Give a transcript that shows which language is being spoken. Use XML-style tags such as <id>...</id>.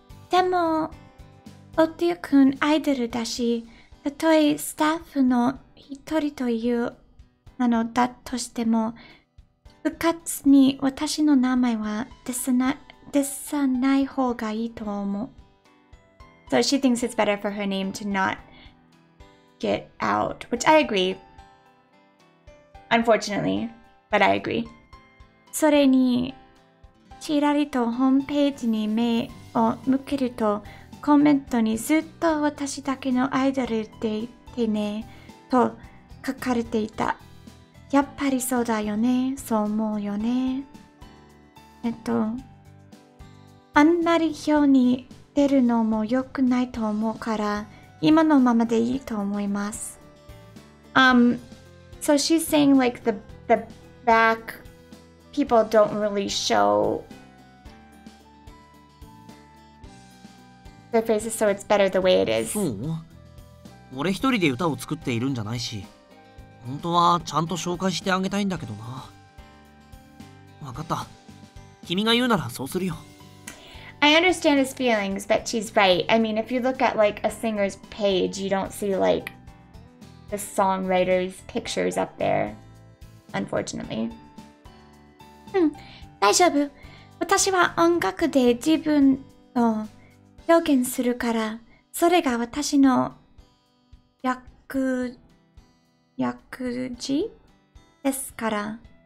<ja>でも、おてゆくんアイドルだし、たとえスタッフの一人というなのだとしても、部活に私の名前は出さない方がいいと思う。</ja> <en>So she thinks it's better for her name to not... get out, which I agree. Unfortunately, but I agree.</en> <ja>それにちらりとホームページに目を向けると、コメントにずっと私だけのアイドルでいてねと書かれていた。やっぱりそうだよね、そう思うよね。あんまり表に出るのも良くないと思うから、今のままでいいと思います。</ja> <en>So she's saying like the back people don't really show their faces, so it's better the way it is.</en> <ja>そう。俺一人で歌を作っているんじゃないし、本当はちゃんと紹介してあげたいんだけどな。わかった。君が言うならそうするよ。</ja> <en>I understand his feelings, but she's right. I mean, if you look at like a singer's page, you don't see like the songwriter's pictures up there, unfortunately.</en> <ja>うん、大丈夫。私は音楽で自分を表現するから、それが私の役事ですから。</ja>